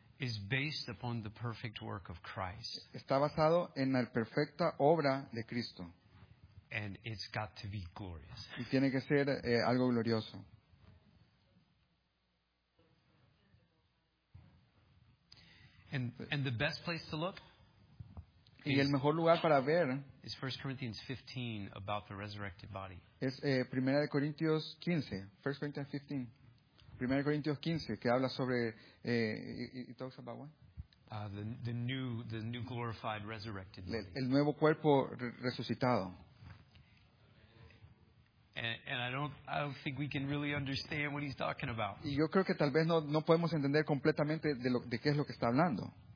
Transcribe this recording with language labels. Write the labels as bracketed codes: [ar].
[en] is based upon the perfect work of Christ. [es] Está basado en la perfecta obra de Cristo. [en] And it's got to be glorious. [es] Y tiene que ser algo glorioso. [en] And the best place to look [es] y el mejor lugar para ver [en] is 1 Corinthians 15 about the resurrected body. [es] Es Primera de Corintios 15. [en] 1 Corinthians 15. [es] Primera de Corintios 15 que habla sobre [en] it talks about what? the new glorified, resurrected body. [es] El nuevo cuerpo resucitado. [en] And I don't think we can really understand what he's talking about. [es] Y yo creo que tal vez no podemos entender completamente de qué es lo que está hablando.